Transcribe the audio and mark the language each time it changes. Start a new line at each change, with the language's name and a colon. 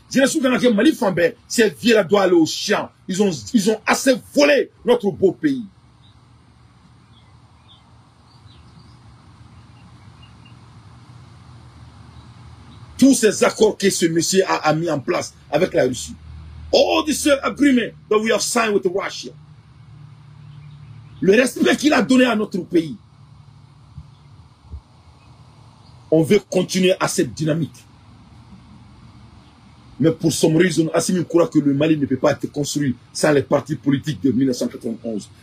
French: Jeunesse qui a été Mali Fambé. Ces vieux-là doivent aller au champ. Ils ont assez volé notre beau pays. Tous ces accords que ce monsieur a mis en place avec la Russie.
English: All this agreement that we have signed with Russia.
French: Le respect qu'il a donné à notre pays. On veut continuer à cette dynamique. Mais pour
English: some reason,
French: Assimi croit que le Mali ne peut pas être construit sans les partis politiques de 1991.